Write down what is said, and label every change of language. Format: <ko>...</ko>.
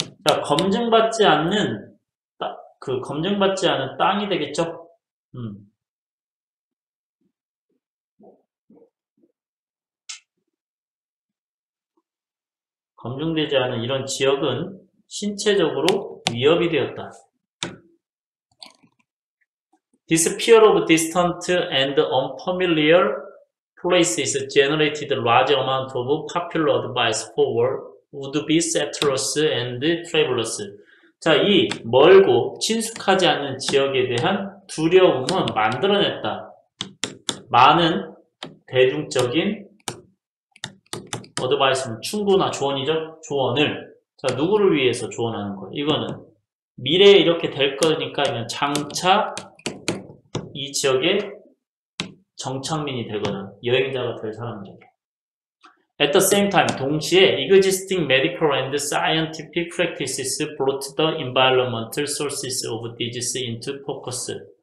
<ko>자, 검증받지 않는 그 검증받지 않은 땅이 되겠죠. 검증되지 않은 이런 지역은 신체적으로 위협이 되었다.</ko> <en>This fear of distant and unfamiliar places generated large amount of popular advice for would-be settlers and travelers.</en> <ko>자, 이 멀고 친숙하지 않은 지역에 대한 두려움은 만들어냈다. 많은 대중적인 advice는 충고나 조언이죠? 조언을. 자, 누구를 위해서 조언하는 거예요? 이거는 미래에 이렇게 될 거니까 그냥 장차 이 지역에 정착민이 되거나 여행자가 될 사람들에게.</ko> <en>At the same time,</en> <ko>동시에</ko> <en>existing medical and scientific practices brought the environmental sources of disease into focus.</en>